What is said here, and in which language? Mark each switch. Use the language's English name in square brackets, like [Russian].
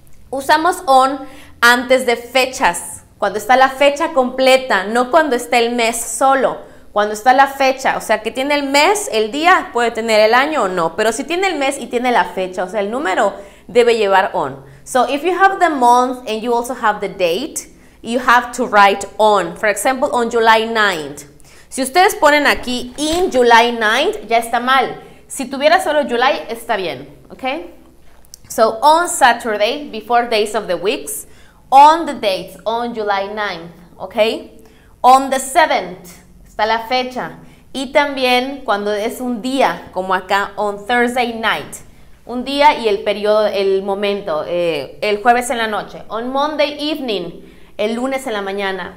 [Spanish] Usamos on antes de fechas, cuando está la fecha completa, no cuando está el mes solo. Cuando está la fecha, o sea, que tiene el mes, el día, puede tener el año o no. Pero si tiene el mes y tiene la fecha, o sea, el número, debe llevar on. [English] So, if you have the month and you also have the date, you have to write on. For example, on July 9th. [Spanish] Si ustedes ponen aquí, in July 9th, ya está mal. Si tuviera solo July, está bien, ¿ok? [English] So on Saturday, before days of the weeks, on the date, on July 9th, ¿ok? On the 7th, [Spanish] está la fecha. Y también cuando es un día, como acá, [English] on Thursday night. [Spanish] Un día y el periodo, el momento, el jueves en la noche. [English] On Monday evening, [Spanish] el lunes en la mañana.